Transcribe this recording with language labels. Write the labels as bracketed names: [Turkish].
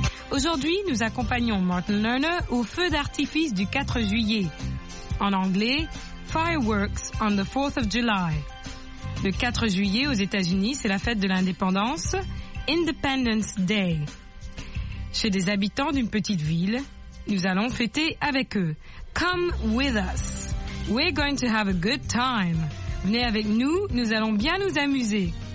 [French] Aujourd'hui, nous accompagnons Martin Lerner au feu d'artifice du 4 juillet. En anglais, [English] Fireworks on the 4th of July. [French] Le 4 juillet aux États-Unis, c'est la fête de l'indépendance, Independence Day. Chez des habitants d'une petite ville, nous allons fêter avec eux. [English] Come with us. We're going to have a good time. [French] Venez avec nous, nous allons bien nous amuser.